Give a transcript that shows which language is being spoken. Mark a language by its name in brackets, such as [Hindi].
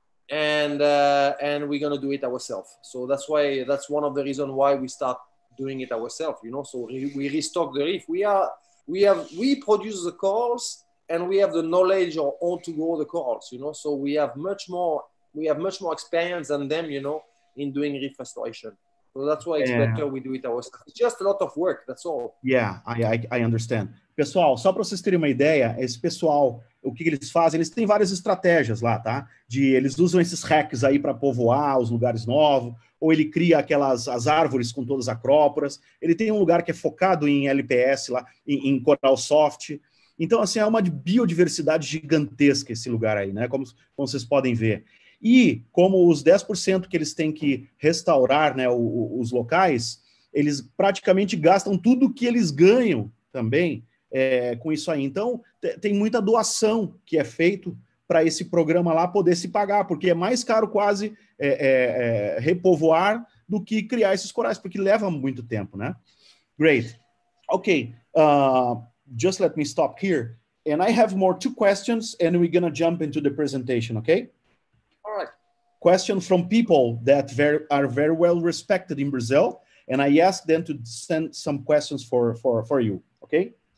[English] And we're going to do it ourselves. So that's why, that's one of the reasons why we start doing it ourselves, you know. So we restock the reef. We produce the corals, and we have the knowledge on how to grow the corals, you know. So we have much more experience than them, you know, in doing reef restoration. So that's why it's better we do it ourselves. It's just a lot of work, that's all. Yeah, I understand. [Portuguese] Pessoal, só para vocês terem uma ideia, esse pessoal, o que eles fazem? Eles têm várias estratégias lá, tá? Eles usam esses hacks aí para povoar os lugares novos, ou ele cria as árvores com todas as acróporas. Ele tem um lugar que é focado em LPS, lá, em coral soft. Então, assim, é uma biodiversidade gigantesca esse lugar aí, né? Como vocês podem ver. E como os 10% que eles têm que restaurar, né, os locais, eles praticamente gastam tudo que eles ganham também com isso aí. Então, tem muita doação que é feito para esse programa lá poder se pagar, porque é mais caro quase repovoar do que criar esses corais, porque leva muito tempo, né? [English] Great. Okay, just let me stop here. And I have more two questions, and we're going to jump into the presentation, okay? All right. Question from people that are very well respected in Brazil, and I ask them to send some questions for you, okay?